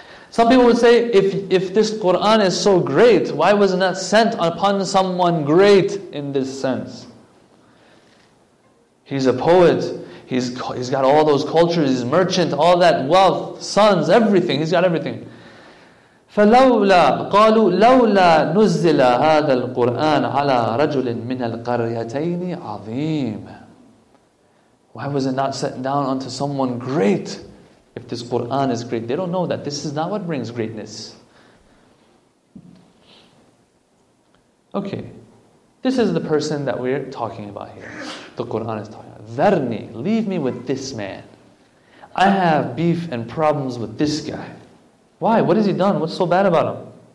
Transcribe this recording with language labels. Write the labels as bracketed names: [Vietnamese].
[English] Some people would say, if this Quran is so great, why was it not sent upon someone great in this sense? He's a poet. He's got all those cultures, he's a merchant, all that wealth, sons, everything. He's got everything. [Arabic] فَلَوْلَا قَالُوا لَوْلَا نُزِّلَ هَذَا الْقُرْآنَ عَلَىٰ رَجُلٍ مِّنَ الْقَرْيَتَيْنِ عَظِيمٍ. [English] Why was it not set down onto someone great? if this Quran is great. They don't know that. This is not what brings greatness. Okay. This is the person that we're talking about here. The Quran is talking about. Dharni, leave me with this man. I have beef and problems with this guy. Why? What has he done? What's so bad about him?